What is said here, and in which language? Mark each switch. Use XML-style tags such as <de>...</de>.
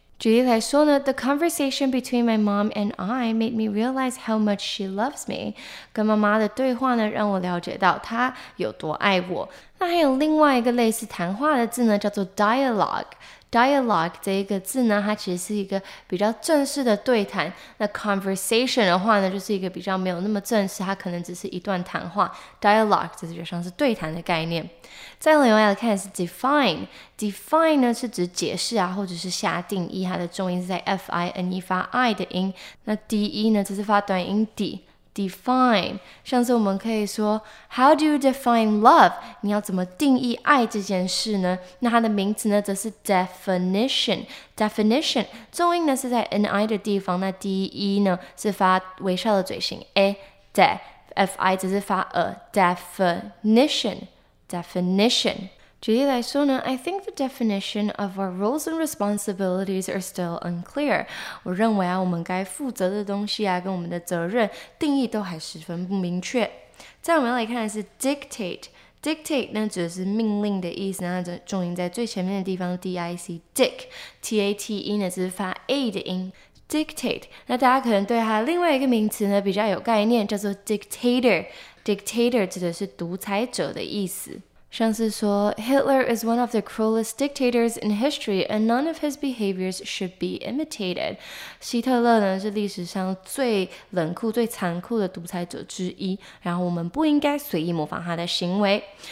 <zh>举例来说呢</zh> <en>，The conversation between my mom and I made me realize how much she loves me。</en> <zh>跟妈妈的对话呢，让我了解到她有多爱我。那还有另外一个类似谈话的字呢，叫做 dialogue。 dialogue 这一个字呢，它其实是一个比较正式的对谈。那 conversation 的话呢，就是一个比较没有那么正式，它可能只是一段谈话。 dialogue 这就像是对谈的概念。再另外来看是 define。 define 呢是指解释啊，或者是下定义，它的重音是在 f-i-n-e 发 i 的音。那 de 呢，这是发短音 d。define 像是我们可以说</zh> <en>How do you define love?</en> <zh>你要怎么定义爱这件事呢？那它的名词呢，则是 definition。definition 重音呢是在 ni 的地方，那 de 呢是发微笑的嘴型 a de fi 则是发 a definition definition。举例来说呢</zh> <en>，I think the definition of our roles and responsibilities are still unclear。</en> <zh>我认为啊，我们该负责的东西啊，跟我们的责任定义都还十分不明确。再我们来看的是 dictate。dictate 呢指的是命令的意思，那重音在最前面的地方 ，d-i-c dict t a t e 呢只是发 a 的音。 dictate， 那大家可能对它另外一个名词呢比较有概念，叫做 dictator。 dictator 指的是独裁者的意思。像是说</zh> <en>Hitler is one of the cruelest dictators in history and none of his behaviors should be imitated.</en> <zh>希特勒呢是历史上最冷酷最残酷的独裁者之一，然后我们不应该随意模仿他的行为。</zh>